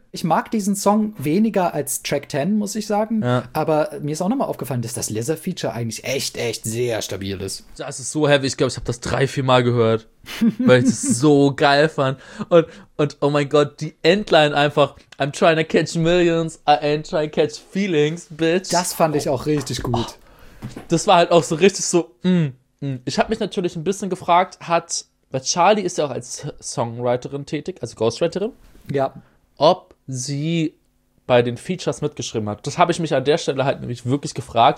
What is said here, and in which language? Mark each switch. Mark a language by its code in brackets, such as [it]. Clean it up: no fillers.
[de] Ich mag diesen Song weniger als Track 10, muss ich sagen. Ja. Aber mir ist auch nochmal aufgefallen, dass das Lizzo-Feature eigentlich echt, echt sehr stabil ist. Das ist so heavy. Ich glaube, ich habe das 3-4 Mal gehört. Weil ich es so geil fand. Und oh mein Gott, die Endline einfach. [en] I'm trying to catch millions. I ain't trying to catch feelings, bitch. [de] Das fand ich auch richtig gut. Das war halt auch so richtig so. Ich habe mich natürlich ein bisschen gefragt, hat. Weil Charlie ist ja auch als Songwriterin tätig, also Ghostwriterin. Ja. Ob sie bei den Features mitgeschrieben hat. Das habe ich mich an der Stelle halt nämlich wirklich gefragt.